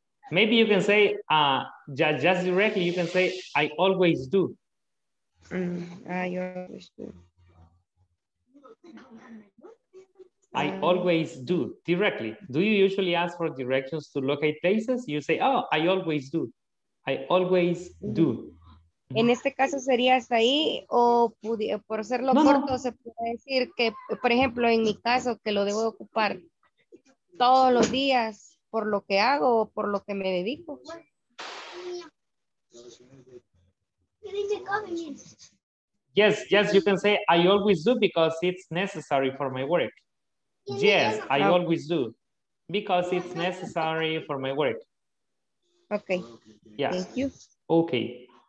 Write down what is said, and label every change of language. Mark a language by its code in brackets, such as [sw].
[en] Maybe you can say, just directly, you can say, I always do. I always do directly. Do you usually ask for directions to locate places? You say, oh, I always do. I always do. [es] En este caso sería hasta ahí o por serlo no, corto no. Se puede decir que, por ejemplo, en mi caso que lo debo ocupar todos los días por lo que hago o por lo que me dedico. [en] Yes, yes, you can say I always do because it's necessary for my work. Yes, I always do because it's necessary for my work. Okay. Yeah. Thank you. Okay.